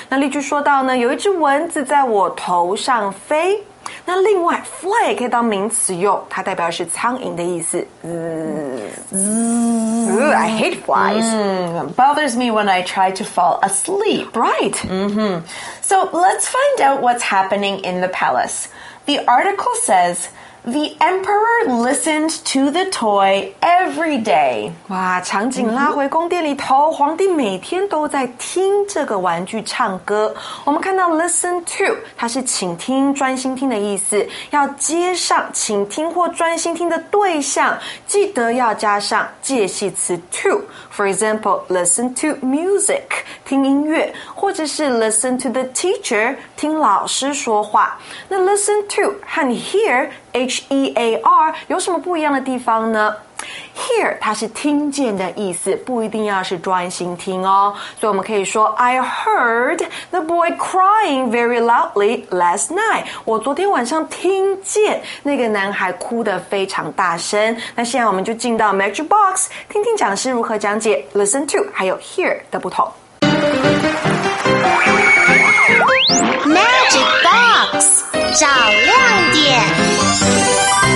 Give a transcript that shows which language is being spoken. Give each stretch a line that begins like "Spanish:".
Chinese: 那例句说到呢，有一只蚊子在我头上飞。那另外 fly 也可以当名词用，它代表是苍蝇的意思。
English: I hate flies. Bothers me when I try to fall asleep. Right. So let's find out what's happening in the palace. The article says... The emperor listened to the toy every day.
Chinese: 哇，场景拉回宫殿里头，皇帝每天都在听这个玩具唱歌。我们看到 listen to, 它是倾听、专心听的意思，要接上倾听或专心听的对象，记得要加上介系词 to. For example,
English: listen to music,
Chinese: 听音乐，或者是
English: listen to the teacher,
Chinese: 听老师说话。那 listen to 和 hear,H-E-A-R, 有什么不一样的地方呢? Hear, 它是听见的意思,不一定要是专心听哦。所以我们可以说,
English: I heard the boy crying very loudly last night.
Chinese: 我昨天晚上听见那个男孩哭得非常大声。那现在我们就进到 Magic Box, 听听讲师如何讲解 listen to, 还有 hear 的不同。 Magic Box, 找亮点。